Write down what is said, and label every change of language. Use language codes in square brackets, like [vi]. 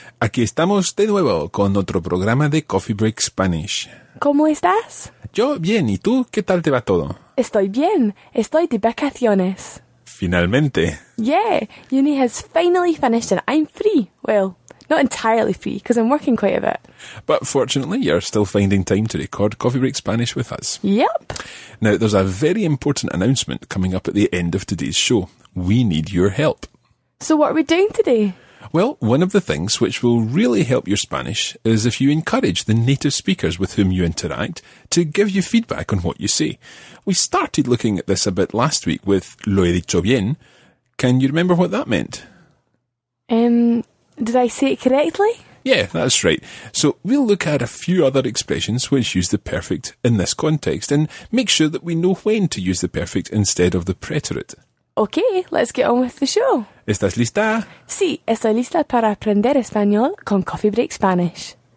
[es] Aquí estamos de nuevo con otro programa de Coffee Break Spanish. ¿Cómo estás? Yo bien, ¿y tú? ¿Qué tal te va todo? Estoy bien, estoy de vacaciones. Finalmente. [en] Yeah, uni has finally finished and I'm free. Well, not entirely free, because I'm working quite a bit. But fortunately, you're still finding time to record Coffee Break Spanish with us. Yep. Now, there's a very important announcement coming up at the end of today's show. We need your help. So what are we doing today? Well, one of the things which will really help your Spanish is if you encourage the native speakers with whom you interact to give you feedback on what you say. We started looking at this a bit last week with [es] lo he dicho bien. [en] Can you remember what that meant? Did I say it correctly? Yeah, that's right. So we'll look at a few other expressions which use the perfect in this context and make sure that we know when to use the perfect instead of the preterite. Okay, let's get on with the show. [es] ¿Estás lista? Sí, estoy lista para aprender español con Coffee Break Spanish.